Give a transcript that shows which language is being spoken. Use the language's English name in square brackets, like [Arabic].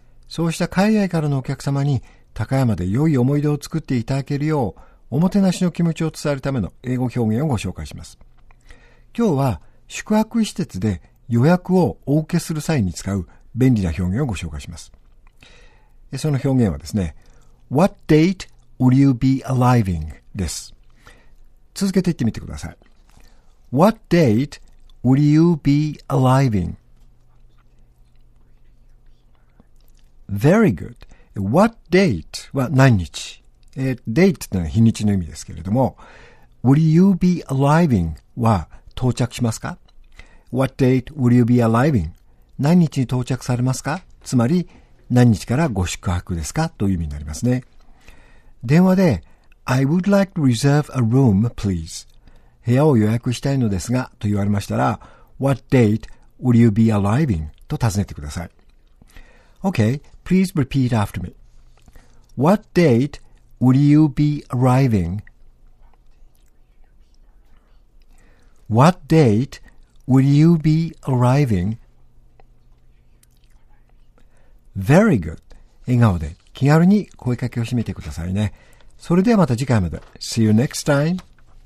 [Japanese] そうした海外からのお客様に高山で良い思い出を作っていただけるよう、おもてなしの気持ちを伝えるための英語表現をご紹介します。今日は宿泊施設で予約をお受けする際に使う便利な表現をご紹介します。その表現はですね、 [English] What date would you be arriving? [Japanese] です。続けて言ってみてください。 [English] What date would you be arriving? Very good. What date [Japanese] は何日？ Date というのは日にちの意味ですけれども、 [English] Would you be arriving? [Japanese] は到着しますか？ [English] What date would you be arriving? [Japanese] 何日に到着されますか？つまり、何日からご宿泊ですか？という意味になりますね。電話で、 [English] I would like to reserve a room, please. [Japanese] 部屋を予約したいのですが、と言われましたら、 [English] What date would you be arriving? [Japanese] と尋ねてください。 [English] Okay, please repeat after me. What date would you be arriving? What date would you be arriving? Very good. [Japanese] 笑顔で気軽に声かけをしてみてくださいね。それではまた次回まで。 [English] See you next time.